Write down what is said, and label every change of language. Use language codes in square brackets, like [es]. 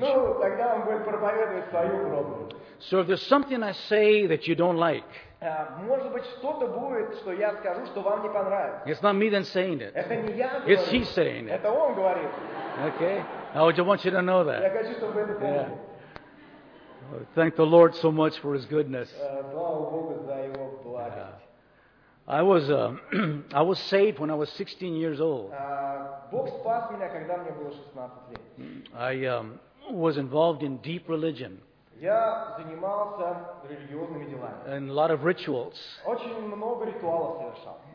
[en] So if there's something I say that you don't like, [ru] может быть, что-то будет, что я скажу, что вам не понравится. [en] It's not me that's saying it. [ru] Это не я. [en] It's he saying it. [ru] Это он говорит. [en] Okay. Now I just want you to know that. [ru] Я хочу, чтобы это помнили. [en] Yeah. Thank the Lord so much for his goodness. [ru] Слава Богу за его благость. [en] I was saved when I was 16 years old. [ru] Бог спас меня, когда мне было 16 лет. [en] I was involved in deep religion. [ru] Я занимался религиозными делами. [en] And a lot of rituals. [ru] Очень много ритуалов совершал.